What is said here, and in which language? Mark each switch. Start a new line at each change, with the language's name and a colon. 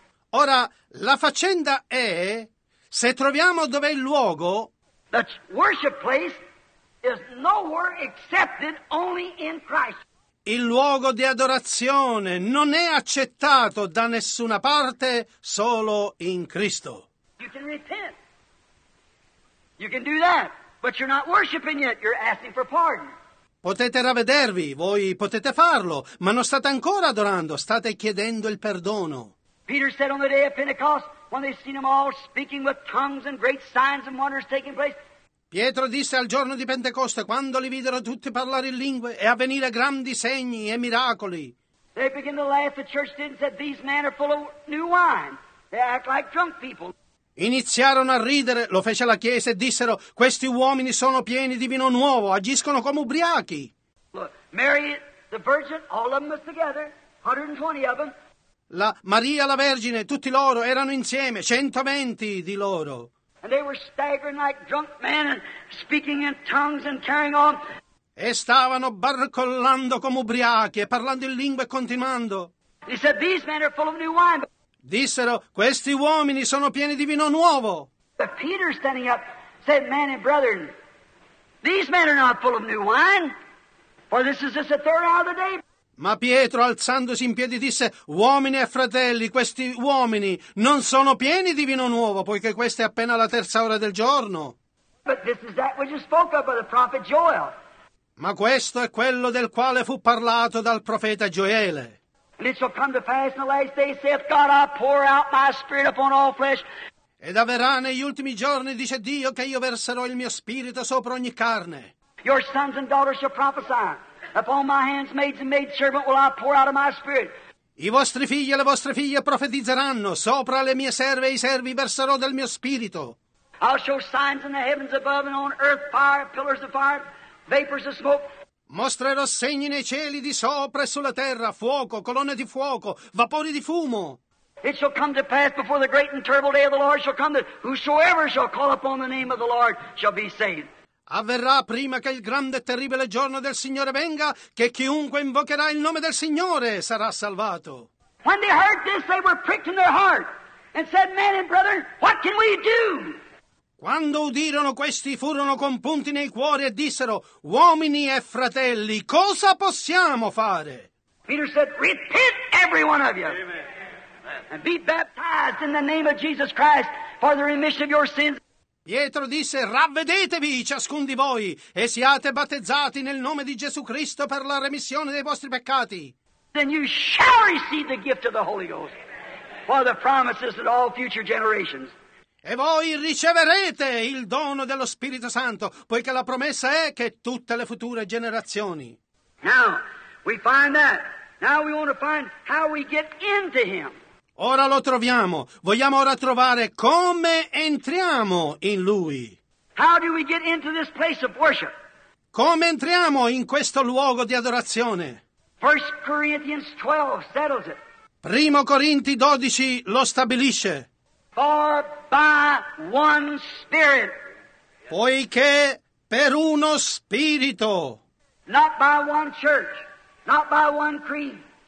Italian: Ora la faccenda è se troviamo dove è il luogo.
English: The worship place is nowhere accepted only in Christ.
Italian: Il luogo di adorazione non è accettato da nessuna parte, solo in Cristo.
English: You can repent. You can do that, but you're not worshiping yet. You're asking for pardon.
Italian: Potete ravvedervi, voi potete farlo, ma non state ancora adorando, state chiedendo il perdono.
English: Peter said on the day of Pentecost, when they seen them all speaking with tongues and great signs and wonders taking place.
Italian: Pietro disse al giorno di Pentecoste, quando li videro tutti parlare in lingue e avvenire grandi segni e miracoli.
English: They began to laugh, the church didn't say, these men are full of new wine, they act like drunk people.
Italian: Iniziarono a ridere, lo fece la chiesa e dissero, questi uomini sono pieni di vino nuovo, agiscono come ubriachi.
English: Look, Mary, the Virgin, all of them was together, 120 of them.
Italian: La Maria, la Vergine, tutti loro erano insieme, 120 di loro.
English: And they were staggering like drunk men and speaking in tongues and carrying on.
Italian: E stavano barcollando come ubriachi e parlando in lingue e continuando.
English: He said, these men are full of new wine.
Italian: Dissero, questi uomini sono pieni di vino nuovo.
English: But Peter standing up said, men and brethren, these men are not full of new wine, for this is just the third hour of the day.
Italian: Ma Pietro alzandosi in piedi disse, uomini e fratelli, questi uomini non sono pieni di vino nuovo, poiché questa è appena la terza ora del giorno.
English: But this is that which is spoken by the prophet Joel.
Italian: Ma questo è quello del quale fu parlato dal profeta Gioele.
English: And it shall come to pass in the last days, saith God, I pour out my spirit upon all flesh.
Italian: Ed avverrà negli ultimi giorni, dice Dio, che io verserò il mio spirito sopra ogni carne.
English: Your sons and daughters shall prophesy. Upon my handmaids and maidservant will I pour out of my spirit.
Italian: I vostri figli e le vostre figlie profetizzeranno. Sopra le mie serve e i servi verserò del mio spirito.
English: I'll show signs in the heavens above and on earth, fire, pillars of fire, vapors of smoke.
Italian: Mostrerò segni nei cieli di sopra e sulla terra, fuoco, colonne di fuoco, vapori di fumo.
English: It shall come to pass before the great and terrible day of the Lord shall come that whosoever shall call upon the name of the Lord shall be saved.
Italian: Avverrà prima che il grande e terribile giorno del Signore venga, che chiunque invocherà il nome del Signore sarà salvato.
English: When they heard this, they were pricked in their heart and said, men and brethren, what can we do?
Italian: Quando udirono questi, furono compunti nei cuori e dissero, uomini e fratelli, cosa possiamo fare?
English: Peter said, repent every one of you. And be baptized in the name of Jesus Christ for the remission of your sins.
Italian: Pietro disse, ravvedetevi ciascun di voi e siate battezzati nel nome di Gesù Cristo per la remissione dei vostri peccati.
English: Then you shall receive the gift of the Holy Ghost for the promises of all future generations.
Italian: E voi riceverete il dono dello Spirito Santo, poiché la promessa è che tutte le future generazioni.
English: Now, we find that. Now we want to find how we get into him.
Italian: Ora lo troviamo. Vogliamo ora trovare come entriamo in lui.
English: How do we get into this place of worship?
Italian: Come entriamo in questo luogo di adorazione?
English: 1 Corinthians 12 settles it.
Italian: Primo Corinti 12 lo stabilisce.
English: For by one spirit.
Italian: Poiché per uno spirito.
English: Not by one church, not by one creed.